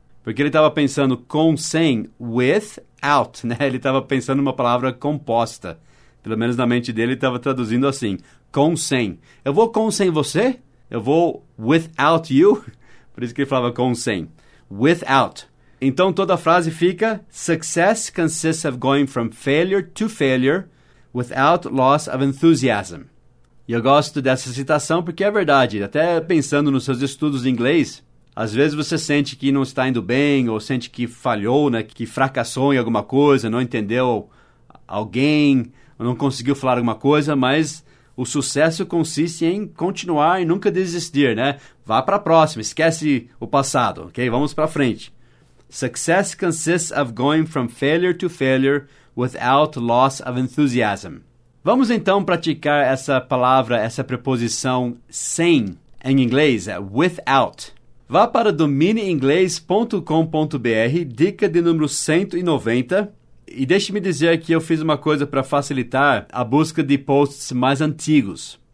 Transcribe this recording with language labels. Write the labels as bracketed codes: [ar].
[pt] Porque ele estava pensando com, sem, with, out, né? Ele estava pensando uma palavra composta. Pelo menos na mente dele, estava traduzindo assim, com, sem. Eu vou com, sem você? Eu vou [en] without you? [pt] Por isso que ele falava com, sem. [en] Without. [pt] Então, toda a frase fica, [en] success consists of going from failure to failure without loss of enthusiasm. [pt] E eu gosto dessa citação porque é verdade. Até pensando nos seus estudos de inglês, às vezes você sente que não está indo bem, ou sente que falhou, né? Que fracassou em alguma coisa, não entendeu alguém, ou não conseguiu falar alguma coisa, mas o sucesso consiste em continuar e nunca desistir, né? Vá para a próxima, esquece o passado, ok? Vamos para frente. [en] Success consists of going from failure to failure without loss of enthusiasm. [pt] Vamos então praticar essa palavra, essa preposição sem em inglês, é without. Vá para dominioinglês.com.br, dica de número 190. E deixe-me dizer que eu fiz uma coisa para facilitar a busca de posts mais antigos.